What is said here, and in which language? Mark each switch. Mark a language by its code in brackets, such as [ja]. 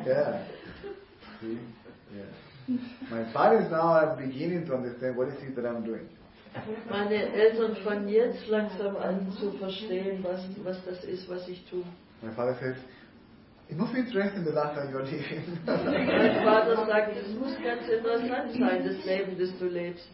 [en] My parents now are beginning to understand what it is that I'm doing. [de] Meine Eltern fangen jetzt langsam an zu verstehen, was das ist, was ich tue. [en] My father says, it must be interesting the life that you're living. [de] Mein Vater sagt, es muss ganz interessant sein, das Leben, das du lebst.